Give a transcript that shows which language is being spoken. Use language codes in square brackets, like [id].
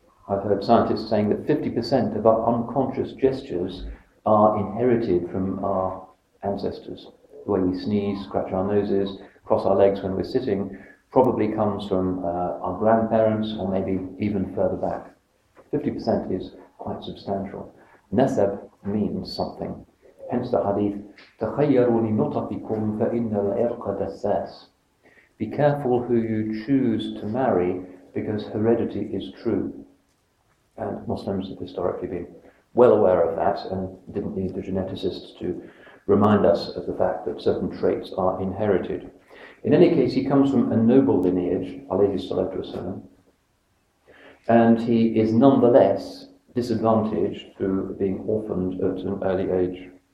[en] I've heard scientists saying that 50% of our unconscious gestures are inherited from our ancestors. The way we sneeze, scratch our noses, cross our legs when we're sitting probably comes from our grandparents or maybe even further back. 50% is quite substantial. Nasab means something. Hence the hadith, [ar] تَخَيَّرُونِ نُطَفِكُمْ فَإِنَّ الْإِرْقَ دَسَّاسِ. [en] Be careful who you choose to marry, because heredity is true. And Muslims have historically been well aware of that and didn't need the geneticists to remind us of the fact that certain traits are inherited. In any case, he comes from a noble lineage, alayhi salatu wasalam, and he is nonetheless disadvantaged through being orphaned at an early age.